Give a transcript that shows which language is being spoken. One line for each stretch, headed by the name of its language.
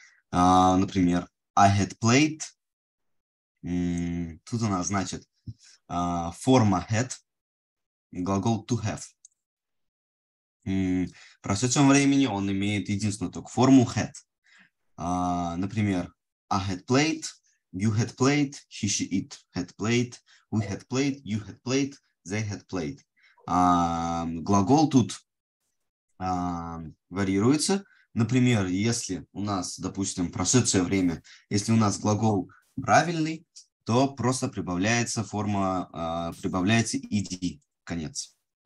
Russian: Например,
English: I had played.
Russian: Тут она значит форма had, глагол to have. В прошедшем времени он имеет единственную только форму had. Например,
English: I had played, you had played, he, she, it had played, we had played, you had played, they had played.
Russian: Глагол тут варьируется. Например, если у нас, допустим, прошедшее время, если у нас глагол правильный, то просто прибавляется форма, прибавляется ed, конец.